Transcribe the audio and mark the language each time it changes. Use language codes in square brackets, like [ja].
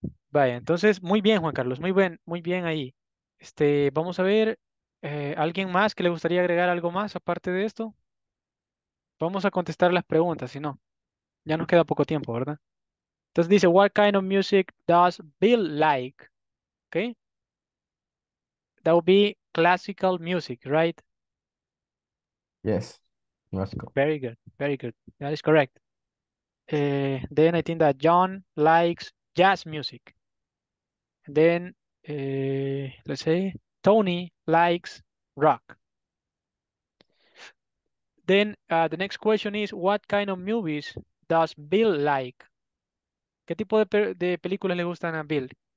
[es] Vaya, entonces, muy bien, Juan Carlos. Muy bien ahí. Vamos a ver, ¿alguien más que le gustaría agregar algo más aparte de esto? Vamos a contestar las preguntas, si no. Ya nos queda poco tiempo, ¿verdad? Entonces dice, [en] what kind of music does Bill like? ¿Ok? That would be classical music, right? Yes, classical. Very good, very good. That is correct. Then I think that John likes jazz music. And then, let's say, Tony likes rock. Then the next question is, what kind of movies does Bill like? [es] ¿Qué tipo de películas le gustan a Bill?